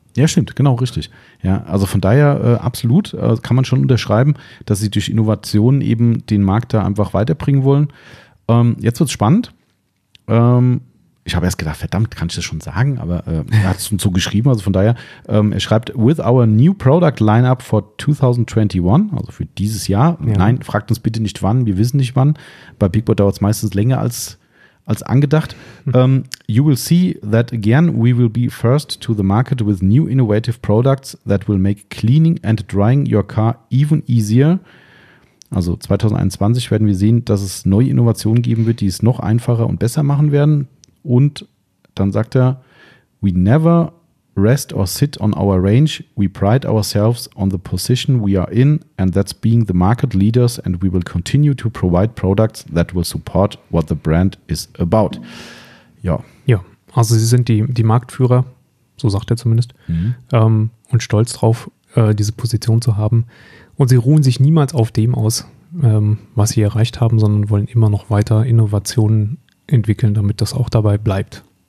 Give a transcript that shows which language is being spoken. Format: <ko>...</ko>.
<de>Ja, stimmt, genau, richtig. Ja, also von daher absolut kann man schon unterschreiben, dass sie durch Innovationen eben den Markt da einfach weiterbringen wollen. Jetzt wird es spannend. Ich habe erst gedacht, verdammt, kann ich das schon sagen? Aber er hat es uns so geschrieben, also von daher. Er schreibt,</de> <en>with our new product lineup for 2021,</en> <de>also für dieses Jahr. Ja. Nein, fragt uns bitte nicht wann, wir wissen nicht wann. Bei Big Boy dauert es meistens länger als angedacht.</de> <en>You will see that again, we will be first to the market with new innovative products that will make cleaning and drying your car even easier.</en> <de>Also 2021 werden wir sehen, dass es neue Innovationen geben wird, die es noch einfacher und besser machen werden. Und dann sagt er,</de> <en>we never rest or sit on our range. We pride ourselves on the position we are in and that's being the market leaders and we will continue to provide products that will support what the brand is about.</en> <de>Ja. Ja, also sie sind die Marktführer, so sagt er zumindest, und stolz drauf, diese Position zu haben. Und sie ruhen sich niemals auf dem aus, was sie erreicht haben, sondern wollen immer noch weiter Innovationen entwickeln, damit das auch dabei bleibt.</de>